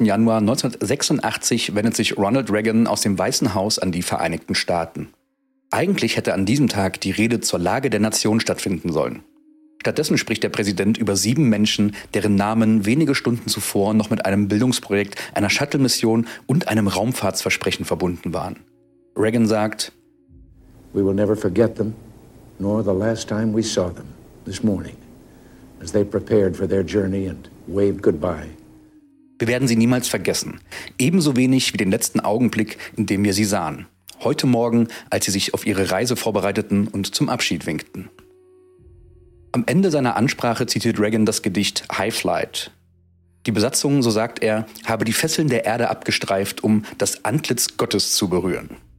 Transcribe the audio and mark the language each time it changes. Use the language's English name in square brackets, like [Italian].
[German] Januar 1986 wendet sich Ronald Reagan aus dem Weißen Haus an die Vereinigten Staaten. Eigentlich hätte an diesem Tag die Rede zur Lage der Nation stattfinden sollen. Stattdessen spricht der Präsident über 7 Menschen, deren Namen wenige Stunden zuvor noch mit einem Bildungsprojekt, einer Shuttle-Mission und einem Raumfahrtsversprechen verbunden waren. Reagan sagt: [English] We will never forget them, nor the last time we saw them, this morning, as they prepared for their journey and waved goodbye. [German] Wir werden sie niemals vergessen, ebenso wenig wie den letzten Augenblick, in dem wir sie sahen. Heute Morgen, als sie sich auf ihre Reise vorbereiteten und zum Abschied winkten. Am Ende seiner Ansprache zitiert Reagan das Gedicht High Flight. Die Besatzung, so sagt er, habe die Fesseln der Erde abgestreift, um das Antlitz Gottes zu berühren.